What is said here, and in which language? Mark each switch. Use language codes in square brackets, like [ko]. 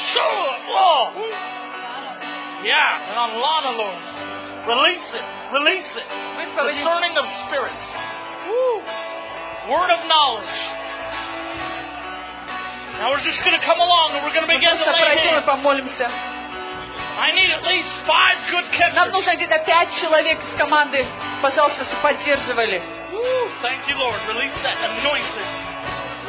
[en] Show up, Lord. Yeah, and on Lana, Lord. Release it. Discerning of spirits. Woo. Word of knowledge. Now we're just going to come along and we're going to begin to lay hands. I need at least 5 good catchers. [ru] Нам нужно где-то 5 человек из команды, пожалуйста, чтобы поддерживали. [en] Thank you, Lord. Release that anointing.